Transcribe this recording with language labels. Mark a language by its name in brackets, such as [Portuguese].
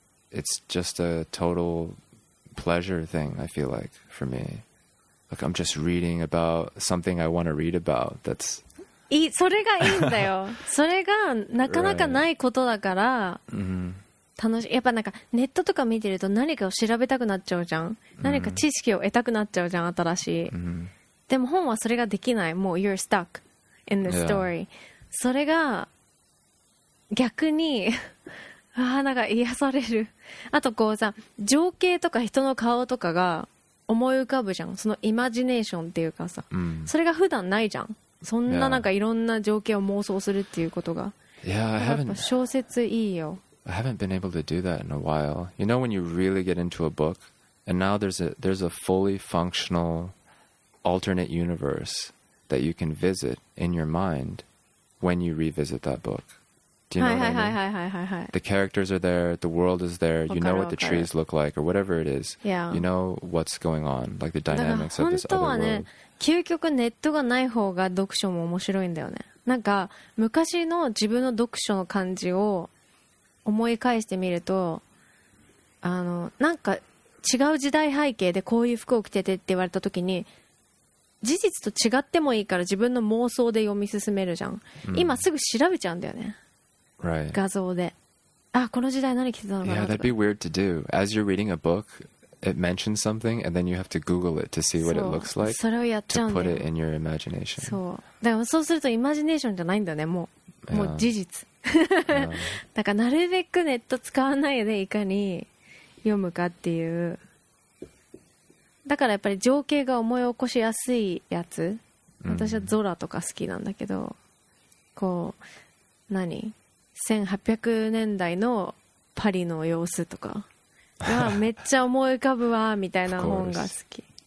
[English] It's just a total pleasure thing, I feel like, for me. Like, I'm just reading about something I want to read about. That's... [Japanese] それがいいんだよ。それがなかなかないことだから、楽しい。やっぱなんかネットとか見てると何かを調べたくなっちゃうじゃん。何か知識を得たくなっちゃうじゃん、新しい。でも本はそれができない。もう [English] you're stuck in the story. [Japanese] それが逆に、ああ、なんか癒される。あとこうさ、情景とか人の顔とかが思い浮かぶじゃん。そのイマジネーションっていうかさ、それが普段ないじゃん。そんななんかいろんな情景を妄想するっていうことが。 [English] Yeah, [Japanese] やっぱ小説いいよ。 [English] I haven't been able to do that in a while. You know when you really get into a book, and now there's a fully functional alternate universe that you can visit in your mind when you revisit that book. Do you know what I mean? [Japanese] はいはいはいはいはい。 [English] The characters are there, the world is there, you know what the trees look like, or whatever it is. Yeah. You know what's going on, like the dynamics of this other world. [Japanese] 究極ネットがない方が読書も面白いんだよね。なんか昔の自分の読書の感じを思い返してみると、あのなんか違う時代背景でこういう服を着ててって言われた時に、事実と違ってもいいから自分の妄想で読み進めるじゃん、今すぐ調べちゃうんだよね、 [English] right. [Japanese] 画像で、あこの時代何着てたのかな。 [English] Yeah, that'd be weird to do. As you're reading a book, it mentions something and then you have to Google it to see what it looks like. [Japanese] それをやっちゃうんだよ、 [English] to put it in your imagination. [Japanese] そう、だからそうするとイマジネーションじゃないんだよね、もう、 [English] yeah. [Japanese] もう事実だからなるべくネット使わないでいかに読むかっていう。だからやっぱり情景が思い起こしやすいやつ、私はゾラとか好きなんだけど、こう何1800年代のパリの様子とかがめっちゃ思い浮かぶわみたいな本が好き。